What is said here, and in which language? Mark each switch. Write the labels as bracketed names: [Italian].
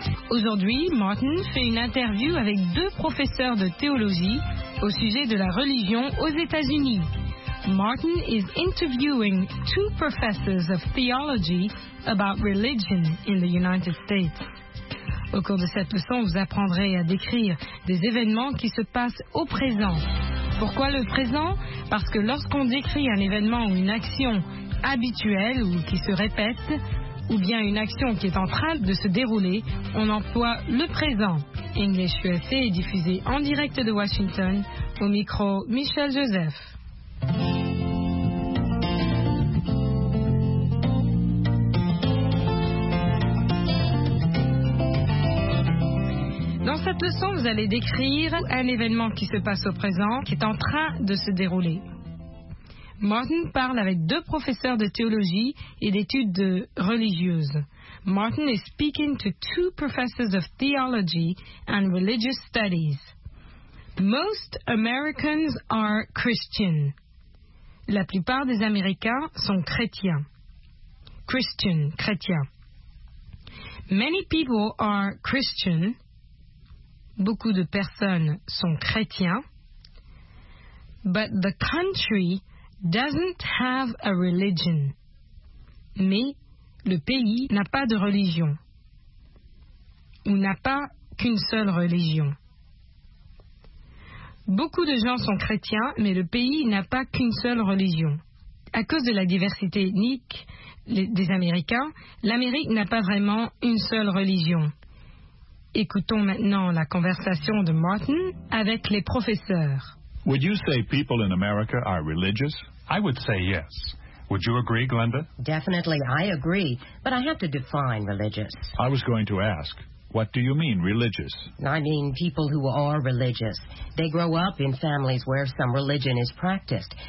[French] Aujourd'hui, Martin fait une interview avec deux professeurs de théologie au sujet de la religion aux États-Unis. [English] Martin is interviewing two professors of theology about religion in the United States. [French] Au cours de cette leçon, vous apprendrez à décrire des événements qui se passent au présent. Pourquoi le présent? Parce que lorsqu'on décrit un événement ou une action habituelle ou qui se répète, ou bien une action qui est en train de se dérouler, on emploie le présent. English USA est diffusé en direct de Washington, au micro Michel Joseph. Dans cette leçon, vous allez décrire un événement qui se passe au présent, qui est en train de se dérouler. Martin parle avec deux professeurs de théologie et d'études religieuses. [English] Martin is speaking to two professors of theology and religious studies. Most Americans are Christian. [French] La plupart des Américains sont chrétiens. Christian, chrétien. [English] Many people are Christian. [French] Beaucoup de personnes sont chrétiens. [English] But the country doesn't have a religion. [French] Mais le pays n'a pas de religion. Ou n'a pas qu'une seule religion. Beaucoup de gens sont chrétiens, mais le pays n'a pas qu'une seule religion. À cause de la diversité ethnique des Américains, l'Amérique n'a pas vraiment une seule religion. Écoutons maintenant la conversation de Martin avec les professeurs. [English] Would you say people in America are religious? I would say yes. Would you agree, Glenda? Definitely, I agree. But I have to define religious. I was going to ask, what do you mean, religious? I mean people who are religious. They grow up in families where some religion is practiced.